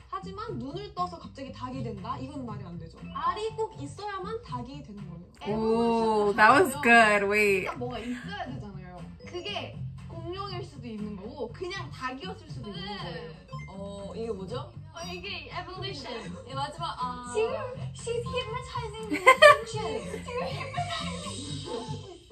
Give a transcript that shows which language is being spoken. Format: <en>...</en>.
<ko>하지만 눈을 떠서 갑자기 닭이 된다? 이건 말이 안 되죠. 알이 꼭 있어야만 닭이 되는 거예요.</ko> <en>Oh, that was good. Wait.</en> <ko>뭐가 있어야 되잖아요. 그게 공룡일 수도 있는 거고 그냥 닭이었을 수도 있는 거예요. 이게 뭐죠? 이게 evolution. 예, 마지막 지금</ko> <en>she's hypnotizing me.</en> <ko>지금 hypnotizing.</ko>